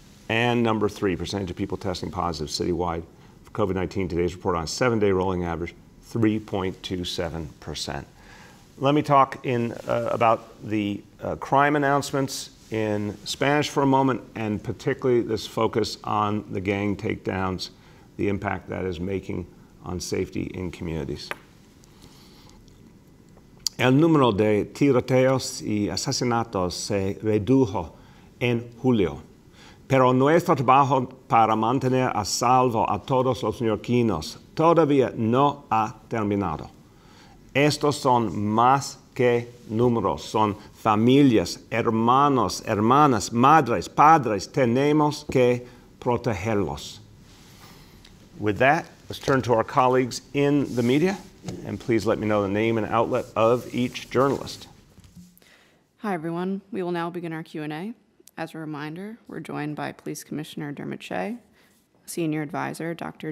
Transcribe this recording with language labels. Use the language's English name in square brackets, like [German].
[English] And number three, percentage of people testing positive citywide for COVID-19. Today's report on a seven-day rolling average, 3.27%. Let me talk in about the crime announcements in Spanish for a moment, and particularly this focus on the gang takedowns, the impact that is making on safety in communities. [Spanish] El número de tiroteos y asesinatos se redujo en julio, pero nuestro trabajo para mantener a salvo a todos los neoyorquinos todavía no ha terminado. Estos son más que números, son familias, hermanos, hermanas, madres, padres. Tenemos que protegerlos. [English] With that, let's turn to our colleagues in the media, and please let me know the name and outlet of each journalist. Hi, everyone. We will now begin our Q&A. As a reminder, we're joined by Police Commissioner Dermot Shea, Senior Advisor Dr.